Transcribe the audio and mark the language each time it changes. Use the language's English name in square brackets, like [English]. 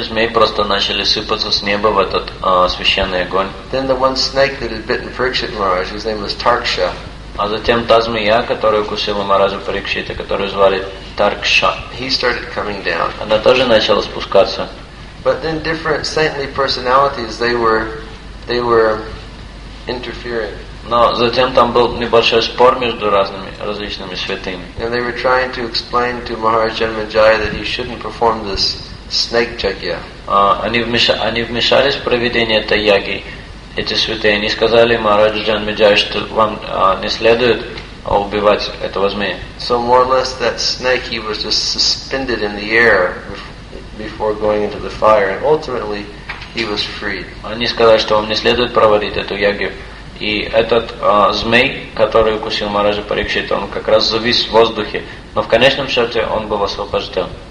[Russian] змей просто начали сыпаться с неба в этот священный огонь. [English] Then the one snake that had bitten Prikshit Maharaj, his name was Tarksha. [Russian] А затем та змея, которую укусила Махараджа Парикшита, которую звали Таркша, [English] he started coming down. [Russian] Она тоже начала спускаться. [English] But then different saintly personalities, they were interfering. [Russian] Но затем там был небольшой спор между различными святыми. [English] And they were trying to explain to Maharaj Janmanjaya that he shouldn't perform this snake jagya. [Russian] Они вмешались в проведение этой яги. Эти святые, они сказали Махараджу Джанмеджаю, что вам не следует убивать этого змея. [English] So more or less that snake, he was just suspended in the air before going into the fire, and ultimately he was freed. [Russian] Они сказали, что вам не следует проводить эту ягью. И этот змей, который укусил Махараджа Парикшита, он как раз завис в воздухе, но в конечном счете он был освобожден.